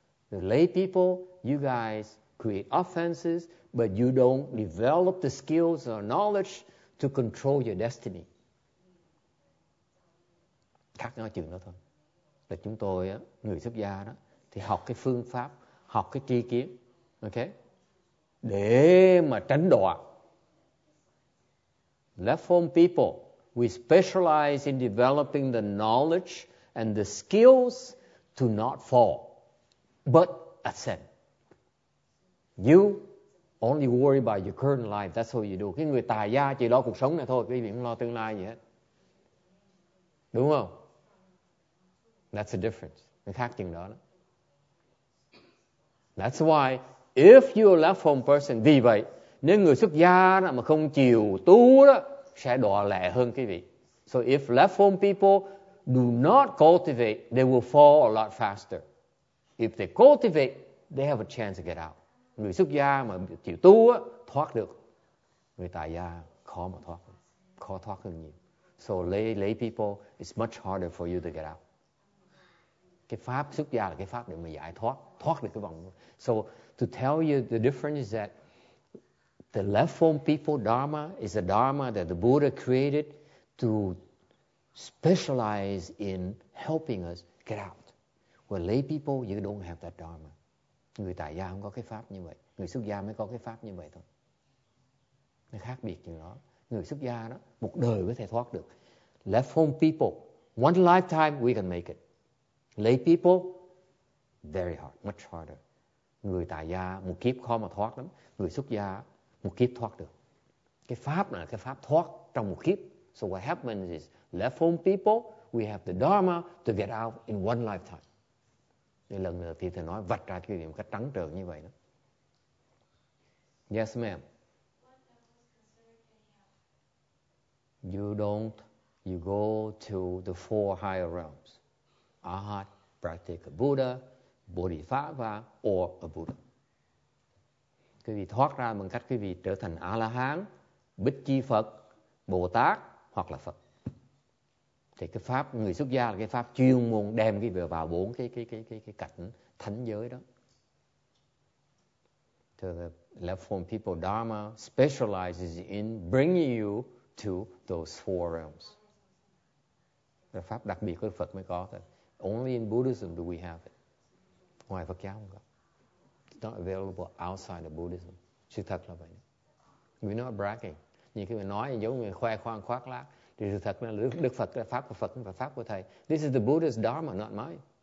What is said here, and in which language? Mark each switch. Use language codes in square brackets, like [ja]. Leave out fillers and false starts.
[en] The lay people, you guys create offenses, but you don't develop the skills or knowledge to control your destiny. [vi] Khác nhau chừng đó thôi. Là chúng tôi, người xuất gia đó, thì học cái phương pháp, học cái tri kiến, ok? Để mà tránh đọa. [en] Left-form people, we specialize in developing the knowledge and the skills to not fall, but ascend. You only worry about your current life. That's all you do. [vi] Cái người tài gia chỉ lo cuộc sống này thôi. Quý vị không lo tương lai gì hết. Đúng không? [en] That's the difference. [vi] Cái khác chừng đó. [en] That's why if you're a left home person, [vi] vì vậy, nếu người xuất gia đó mà không chịu tu đó, sẽ đọa lẹ hơn quý vị. [en] So if left home people do not cultivate, they will fall a lot faster. If they cultivate, they have a chance to get out. [vi] Người xuất gia mà chịu tu á, thoát được. Người tài gia khó mà thoát. Khó thoát hơn nhiều. [en] So lay people, it's much harder for you to get out. [vi] Cái pháp xuất gia là cái pháp để mà giải thoát. Thoát được cái vòng. [en] So to tell you the difference is that the left-form people dharma is a dharma that the Buddha created to specialize in helping us get out. Where lay people, you don't have that dharma. [vi] Người tài gia không có cái pháp như vậy. Người xuất gia mới có cái pháp như vậy thôi. Nó khác biệt chừng đó. Người xuất gia đó, một đời có thể thoát được. [en] Left home people, one lifetime we can make it. Lay people, very hard, much harder. [vi] Người tài gia, một kiếp khó mà thoát lắm. Người xuất gia, một kiếp thoát được. Cái pháp là cái pháp thoát trong một kiếp. [en] So what happens is, left home people, we have the dharma to get out in one lifetime. [vi] Để lần nữa thì thầy nói vạch ra cái điểm cách trắng trợn như vậy đó. [en] Yes, ma'am. You go to the four higher realms. Arhat, Pratika Buddha, Bodhisattva, or a Buddha. [vi] Quý vị thoát ra bằng cách quý vị trở thành A-la-hán, Bích Chi Phật, Bồ-Tát, hoặc là Phật. Thì cái pháp người xuất gia là cái pháp chuyên môn đem cái vào bốn cái cảnh thánh giới đó. [en] So the left-form people dharma specializes in bringing you to those four realms. [vi] Là pháp đặc biệt của Phật mới có. [en] Only in Buddhism do we have it. [vi] Ngoài Phật giáo không có. [en] It's not available outside of Buddhism. [vi] Sự thật là vậy. [en] We're not bragging. [vi] Nhưng khi mà nói giống như khoe khoang khoác lác. Thì sự thật là Đức Phật là pháp của Phật và pháp của Thầy. [en] This is the Buddha's Dharma, not mine.